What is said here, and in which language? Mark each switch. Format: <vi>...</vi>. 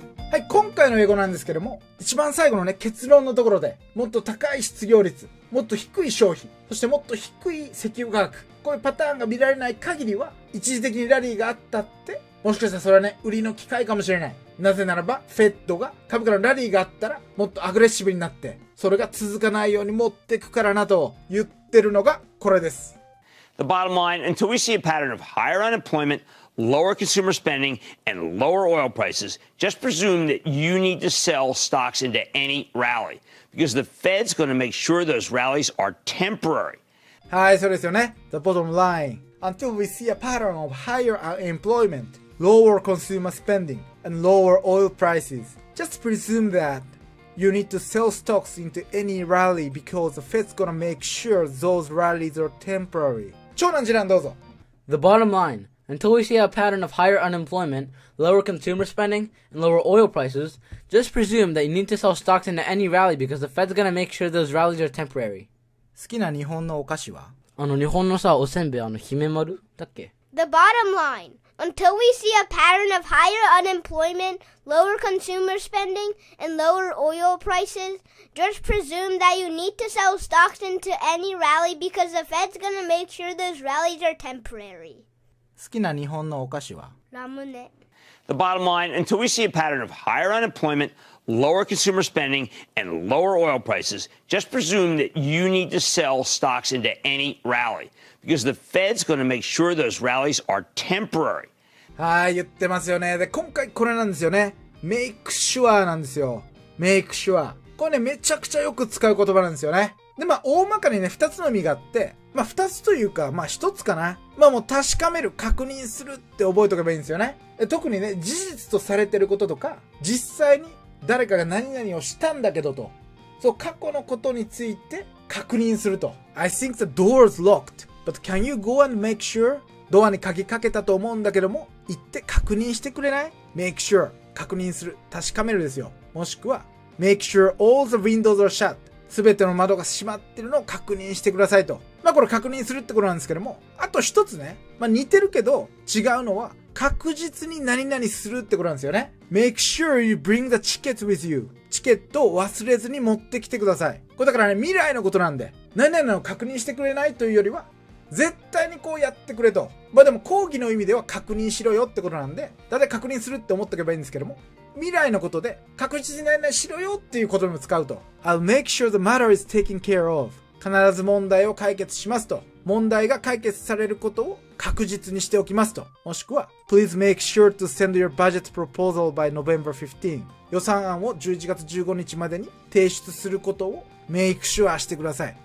<ja>はい、今回の英語なんですけども、一番最後のね、結論のところで、もっと高い失業率、もっと低い消費、そしてもっと低い石油価格、こういうパターンが見られない限りは、一時的にラリーがあったって、もしかしたらそれはね、売りの機会かもしれない。なぜならば、フェッドが株価のラリーがあったら、もっとアグレッシブになって、それが続かないように持っていくからなと言ってるのがこれです。</ja> <en>The bottom line, until we see a pattern of higher unemployment,Lower consumer spending and lower oil prices, just presume that you need to sell stocks into any rally. Because the Fed's going to make sure those rallies are temporary.</en> <ja>はい、そうですよね。</ja> <en>The bottom line. Until we see a pattern of higher unemployment, lower consumer spending and lower oil prices, just presume that you need to sell stocks into any rally because the Fed's going to make sure those rallies are temporary.</en> <ja>長男次男どうぞ。</ja> <en>The bottom line. Until we see a pattern of higher unemployment, lower consumer spending, and lower oil prices, just presume that you need to sell stocks into any rally because the Fed's gonna make sure those rallies are temporary.</en> <ja>好きな日本のお菓子は？あの日本のさ、おせんべい、あの姫丸だっけ？</ja> <en>The bottom line. Until we see a pattern of higher unemployment, lower consumer spending, and lower oil prices, just presume that you need to sell stocks into any rally because the Fed's gonna make sure those rallies are temporary.</en> <ja>好きな日本のお菓子は？ラムネ。</ja> <en>The bottom line, until we see a pattern of higher unemployment, lower consumer spending, and lower oil prices, just presume that you need to sell stocks into any rally. Because the Fed's going to make sure those rallies are temporary.</en> <ja>はい、言ってますよね。で、今回これなんですよね。 Make sure なんですよ。Make sure。これね、めちゃくちゃよく使う言葉なんですよね。で、まあ、大まかにね、二つの意味があって、まあ、二つというか、まあ、一つかな。まあ、もう確かめる、確認するって覚えとけばいいんですよね。で、特にね、事実とされてることとか、実際に誰かが何々をしたんだけどと、そう、過去のことについて確認すると。</ja> <en>I think the door's locked. But can you go and make sure?</en> <ja>ドアに鍵かけたと思うんだけども、行って確認してくれない?</ja> <en>Make sure.</en> <ja>確認する。確かめるですよ。もしくは、</ja> <en>Make sure all the windows are shut.</en> <ja>すべての窓が閉まってるのを確認してくださいと。まあこれ確認するってことなんですけども、あと一つね。まあ似てるけど、違うのは、確実に何々するってことなんですよね。</ja> <en>Make sure you bring the ticket with you.</en> <ja>チケットを忘れずに持ってきてください。これだからね、未来のことなんで、何々を確認してくれないというよりは、絶対にこうやってくれと。まあでも講義の意味では確認しろよってことなんで、だって確認するって思っておけばいいんですけども、未来のことで確実にないないしろよっていうことにも使うと。</ja> <en>I'll make sure the matter is taken care of.</en> <ja>必ず問題を解決しますと。問題が解決されることを確実にしておきますと。</ja> <en>もしくは、Please make sure to send your budget proposal by November 15.</en> <ja>予算案を11月15日までに提出することを make sure してください。</ja>